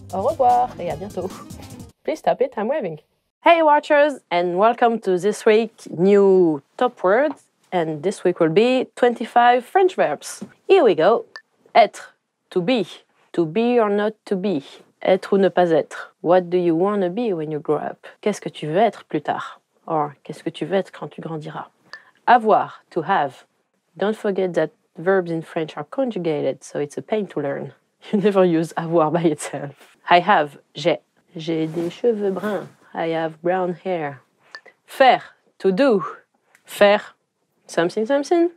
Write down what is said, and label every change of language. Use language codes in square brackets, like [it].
[fr] Au revoir et à bientôt! [en] Please stop it, I'm waving. Hey watchers, and welcome to this week's new top words. And this week will be 25 French verbs. Here we go. Être, to be. To be or not to be. [fr] Être ou ne pas être. [en] What do you want to be when you grow up? [fr] Qu'est-ce que tu veux être plus tard? Or, qu'est-ce que tu veux être quand tu grandiras? [en] Avoir, to have. Don't forget that verbs in French are conjugated, so it's a pain to learn. You never use avoir by itself. I have, [fr] j'ai. J'ai des cheveux bruns. [en] I have brown hair. Faire, to do. Faire something, something.